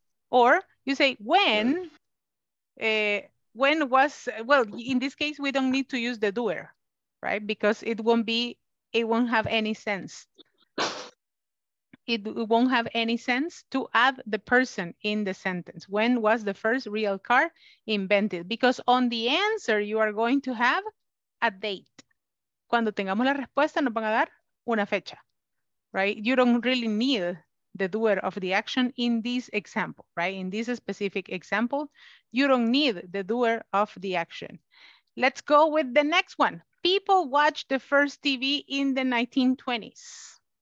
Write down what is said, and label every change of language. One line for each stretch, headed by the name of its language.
English: Or you say, when was, in this case, we don't need to use the doer, right? Because it won't have any sense. It won't have any sense to add the person in the sentence. When was the first real car invented? Because on the answer, you are going to have a date.
Spanish: Cuando tengamos la respuesta, nos van a dar una fecha,
English: right? You don't really need the doer of the action in this example, right? In this specific example, you don't need the doer of the action. Let's go with the next one. People watched the first TV in the 1920s.